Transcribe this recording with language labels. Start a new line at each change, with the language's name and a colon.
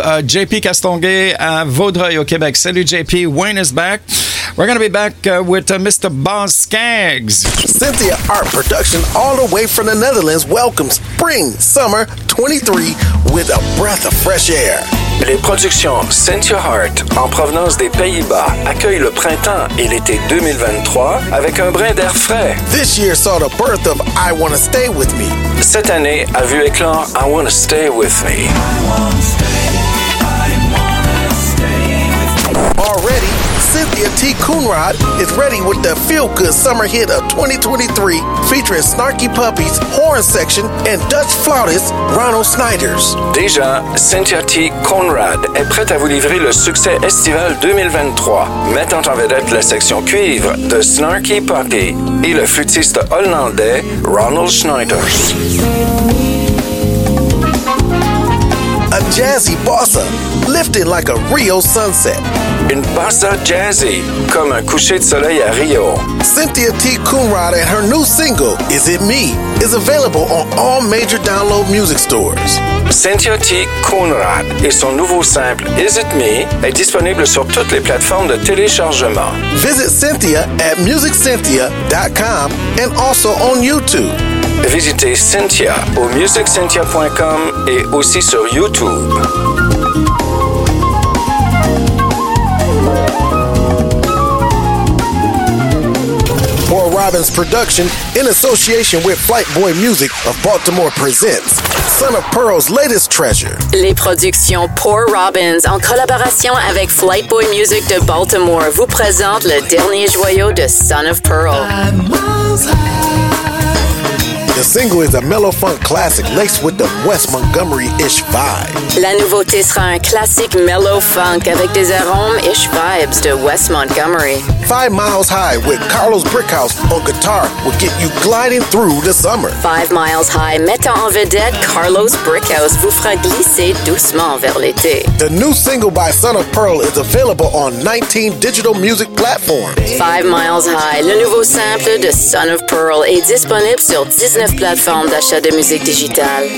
French: JP Castonguay à Vaudreuil au Québec. Salut, JP.
English: Wayne is back. We're going to be back with Mr. Boz Skaggs. Cynthia Art Production, all the way from the Netherlands, welcomes Spring Summer 23 with a breath of fresh air.
French: Les productions Cynthia Art, en provenance des Pays-Bas, accueillent le printemps et l'été 2023 avec un brin d'air frais.
English: This year saw the birth of I Wanna Stay With Me.
French: Cette année a vu éclore I Wanna Stay With Me.
English: Already, Cynthia T. Coonrod is ready with the feel-good summer hit of 2023 featuring Snarky Puppies, Horn Section, and Dutch flautist Ronald Snyders.
French: Déjà, Cynthia T. Coonrod est prête à vous livrer le succès estival 2023, mettant en vedette la section cuivre de Snarky Puppy et le flûtiste hollandais Ronald Snyders.
English: A jazzy bossa, lifting like a Rio sunset.
French: Une bossa jazzy, comme un coucher de soleil à Rio.
English: Cynthia T. Coonrod and her new single, Is It Me?, is available on all major download music stores.
French: Cynthia T. Coonrod et son nouveau simple, Is It Me?, est disponible sur toutes les plateformes de téléchargement.
English: Visit Cynthia at musiccynthia.com and also on YouTube.
French: Visitez Cynthia au musiccynthia.com et aussi sur YouTube.
English: Paul Robbins Production, in association with Flight Boy Music of Baltimore, presents Son of Pearl's latest treasure.
French: Les productions Poor Robbins, en collaboration avec Flight Boy Music de Baltimore, vous présentent le dernier joyau de Son of Pearl.
English: The single is a mellow funk classic laced with the West Montgomery-ish vibe.
French: La nouveauté sera un classique mellow funk avec des arômes-ish vibes de West Montgomery.
English: 5 Miles High with Carlos Brickhouse on guitar will get you gliding through the summer.
French: 5 Miles High mettant en vedette Carlos Brickhouse vous fera glisser doucement vers l'été.
English: The new single by Son of Pearl is available on 19 digital music platforms.
French: 5 Miles High, le nouveau sample de Son of Pearl est disponible sur 19 plateformes d'achat de musique digitale.